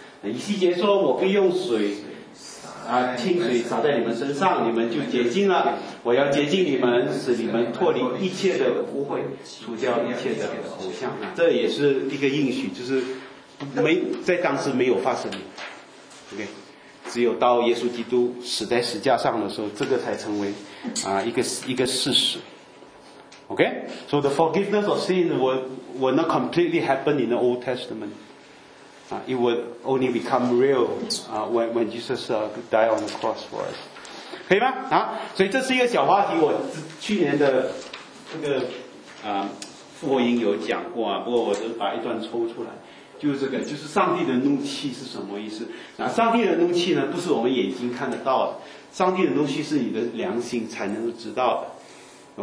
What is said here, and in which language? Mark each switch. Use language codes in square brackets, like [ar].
[zh] 以西结说，我必用水啊，清水洒在你们身上，你们就洁净了，我要洁净你们，使你们脱离一切的污秽，除掉一切的偶像，啊，这也是一个应许，就是没在当时没有发生的。 OK， 只有到耶稣基督死在十架上的时候，这个才成为啊一个事实。 [en] OK， so the forgiveness of sin will not completely happen in the Old Testament. It would only become real when Jesus died on the cross for us. [zh] 可以吗？啊，所以这是一个小话题，我去年的这个复活营有讲过啊，不过我就把一段抽出来，就是这个，就是上帝的怒气是什么意思？那，啊，上帝的怒气呢，不是我们眼睛看得到的，上帝的怒气是你的良心才能知道的。